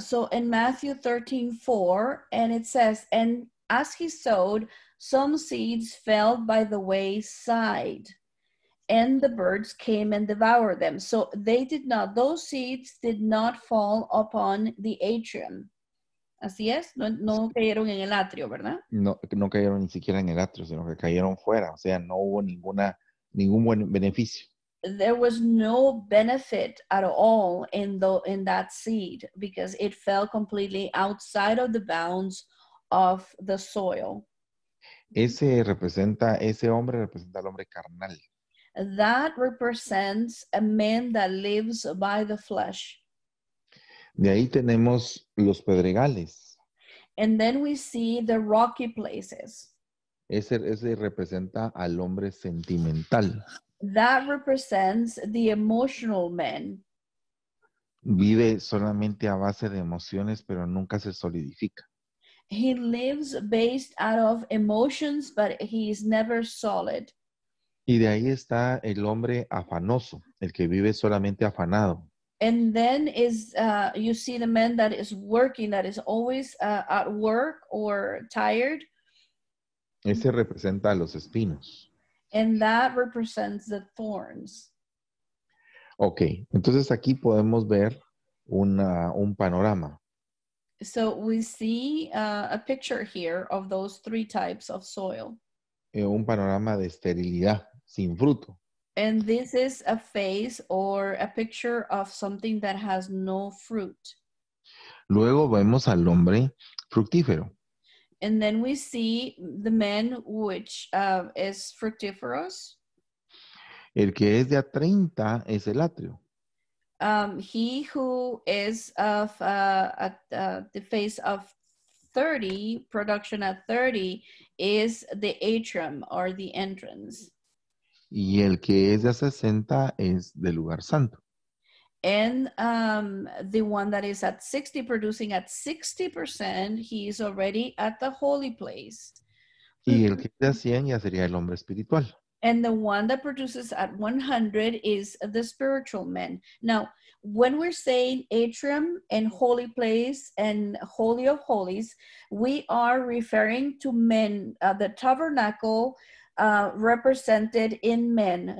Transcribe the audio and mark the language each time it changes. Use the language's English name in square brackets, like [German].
[English] So in Matthew 13:4, and it says, and as he sowed, some seeds fell by the wayside, and the birds came and devoured them. So they did not, those seeds did not fall upon the atrium. [Spanish] Así es, no cayeron en el atrio, ¿verdad? No cayeron ni siquiera en el atrio, sino que cayeron fuera. O sea, no hubo ningún buen beneficio. [English] There was no benefit at all in that seed, because it fell completely outside of the bounds of the soil. [Spanish] Ese hombre representa al hombre carnal. [English] That represents a man that lives by the flesh. [Spanish] De ahí tenemos los pedregales. [English] And then we see the rocky places. [Spanish] Ese representa al hombre sentimental. [English] That represents the emotional man. [Spanish] Vive solamente a base de emociones, pero nunca se solidifica. [English] He lives based out of emotions, but he is never solid. [Spanish] Y de ahí está el hombre afanoso, el que vive solamente afanado. [English] And then is you see the man that is working, that is always at work or tired. [Spanish] Ese representa a los espinos. [English] And that represents the thorns. [Spanish] Okay, entonces aquí podemos ver un panorama. [English] So we see a picture here of those three types of soil. [Spanish] Un panorama de esterilidad, sin fruto. [English] And this is a face or a picture of something that has no fruit. [Spanish] Luego vemos al hombre fructífero. [English] And then we see the man which is fructiferous. [Spanish] El que es de a 30 es el atrio. [English] He who is of the face of 30, production at 30, is the atrium or the entrance. [Spanish] Y el que es de a 60 es del lugar santo. [English] And the one that is at 60, producing at 60%, he is already at the holy place. [Spanish] Y el que es de a 100 ya sería el hombre espiritual. [English] And the one that produces at 100 is the spiritual man. Now, when we're saying atrium and holy place and holy of holies, we are referring to men, the tabernacle represented in men.